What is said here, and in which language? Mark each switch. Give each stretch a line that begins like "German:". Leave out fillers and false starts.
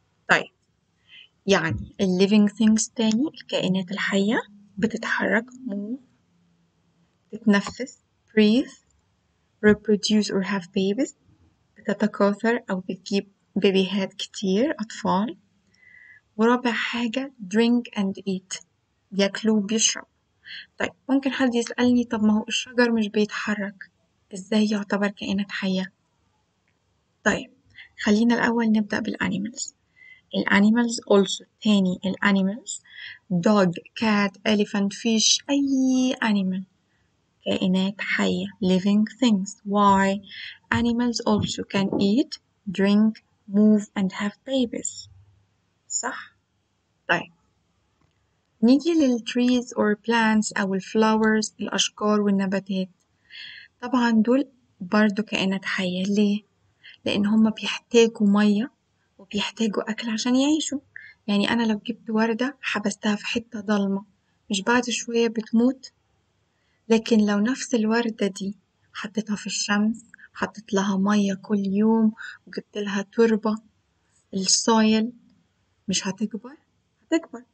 Arabic: طيب، يعني ال living things تاني الكائنات الحية: بتتحرك، move، بتتنفس، breathe،
English: reproduce or have babies،
Arabic: بتتكاثر أو بتجيب بيبيهات كتير، أطفال. ورابع حاجة
English: drink and eat،
Arabic: بياكلوا وبيشرب. طيب ممكن حد يسألني، طب ما هو الشجر مش بيتحرك، ازاي يعتبر كائنات حية؟ طيب خلينا الأول نبدأ بالأنيمالز.
English: الأنيمالز also تاني الأنيمالز: dog، cat، elephant، fish، أي animal،
Arabic: كائنات حية،
English: living things. why؟ animals also can eat, drink, move and have babies،
Arabic: صح؟ طيب نيجي
English: للtrees or plants أو الflowers،
Arabic: الأشجار والنباتات. طبعا دول برضو كائنات حية. ليه؟ لأن هما بيحتاجوا مية وبيحتاجوا أكل عشان يعيشوا. يعني أنا لو جبت وردة حبستها في حتة ضلمة، مش بعد شوية بتموت؟ لكن لو نفس الوردة دي حطيتها في الشمس، حطيت لها مية كل يوم، وجبت لها تربة، السايل، مش هتكبر؟ هتكبر.